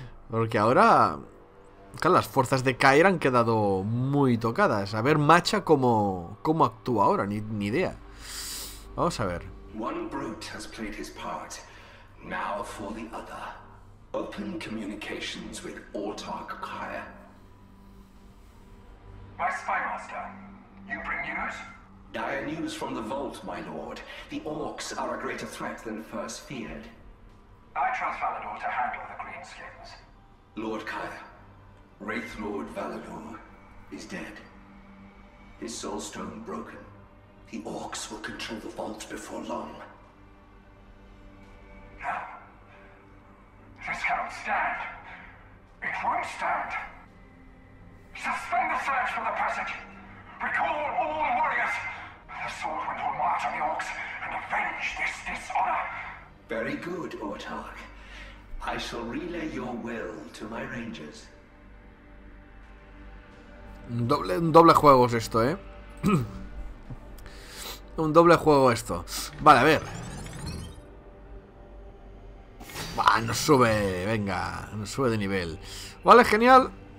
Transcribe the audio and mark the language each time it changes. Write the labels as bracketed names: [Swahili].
[Spanish] Porque ahora, claro, las fuerzas de Kair han quedado muy tocadas. A ver, Macha, cómo actúa ahora. Ni idea. Vamos a ver. [English] One brute has played his part. Now for the other. Open communications with Ortark Kair. My spymaster. You bring news? Dire news from the vault, my lord. The orcs are a greater threat than first feared. I trust Valador to handle the greenskins. Lord Kair, Wraith Lord Valador is dead. His soul stone broken. The orcs will control the vault before long. No. This cannot stand. It won't stand. Suspend the search for the passage. Recall all the warriors. The sword went on march on the orcs and avenge this dishonor. Very good, Ortark. I shall relay your will to my rangers. [Spanish] Un doble juego es esto, ¿eh? Un doble juego esto. Vale, a ver. Bah, nos sube, venga, nos sube de nivel. Vale, genial.